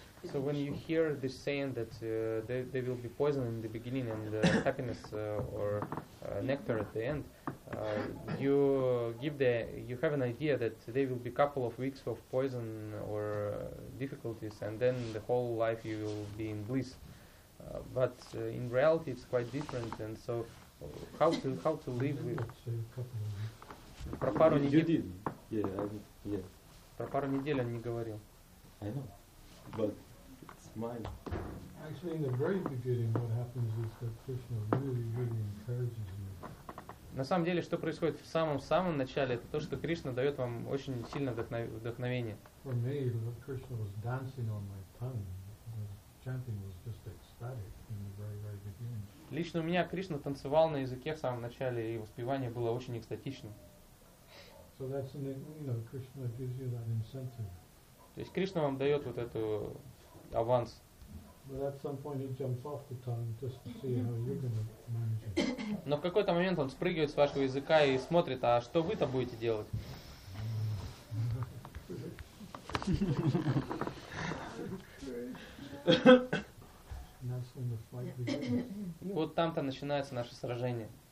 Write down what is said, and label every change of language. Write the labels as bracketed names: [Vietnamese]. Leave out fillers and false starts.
[English] So when you hear this saying that there will be poison in the beginning and happiness or nectar at the end, you have an idea that there will be a couple of weeks of poison or difficulties and then the whole life you will be in bliss. But in reality it's quite different, and so how to live with it? [Russian] Про пару недель он не говорил. [English] I know, but mine. Actually, in the very beginning, what happens is that Krishna really, really encourages you. [Russian] На самом деле, что происходит в самом-самом начале, это то, что Кришна дает вам очень сильное вдохновение. [English] For me, Krishna was dancing on my tongue. The chanting was just ecstatic in the very, very beginning. [Russian] Лично у меня Кришна танцевал на языке в самом начале, и воспевание было очень экстатично. [English] So that's an, Krishna gives you that incentive. [Russian] То есть Кришна вам дает вот эту аванс. Но в какой-то момент он спрыгивает с вашего языка и смотрит, а что вы-то будете делать? И вот там-то начинается наше сражение.